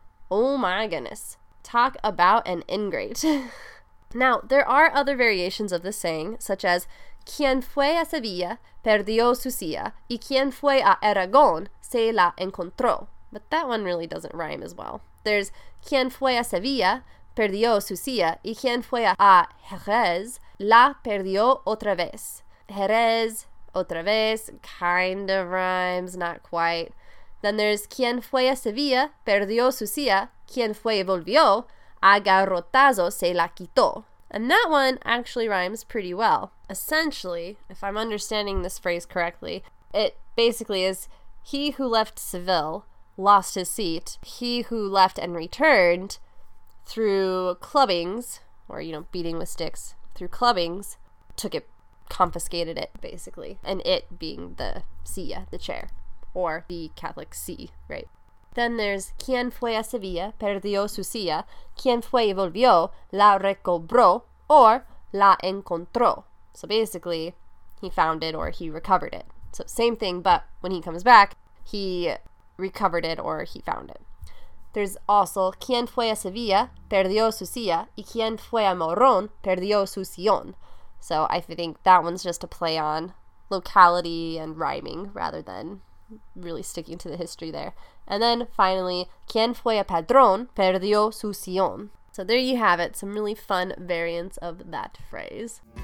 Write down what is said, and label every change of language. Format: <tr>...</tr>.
<en>Oh my goodness. Talk about an ingrate. Now, there are other variations of this saying, such as,</en> <es>quien fue a Sevilla perdió su silla, y quien fue a Aragón se la encontró.</es> <en>But that one really doesn't rhyme as well.</en> <es>There's, quien fue a Sevilla perdió su silla, y quien fue a Jerez la perdió otra vez.</es> <en>Jerez,</en> <es>otra vez,</es> <en>kind of rhymes, not quite. Then there's,</en> <es>quien fue a Sevilla perdió su silla, quien fue y volvió, a garrotazo se la quitó.</es> <en>And that one actually rhymes pretty well. Essentially, if I'm understanding this phrase correctly, it basically is, he who left Seville lost his seat, he who left and returned through clubbings, or, you know, beating with sticks, through clubbings, took it, confiscated it, basically. And it being the silla, the chair, or the Catholic see, right? Then there's,</en> <es>quien fue a Sevilla perdió su silla, quien fue y volvió la recobró, or la encontró.</es> <en>So basically, he found it or he recovered it. So same thing, but when he comes back, he recovered it or he found it. There's also,</en> <es>quien fue a Sevilla perdió su silla, y quien fue a Morón perdió su sillón.</es> <en>So I think that one's just a play on locality and rhyming rather than really sticking to the history there. And then finally,</en> <es>quien fue a padrón perdió su sillón.</es> <en>So there you have it, some really fun variants of that phrase.</en>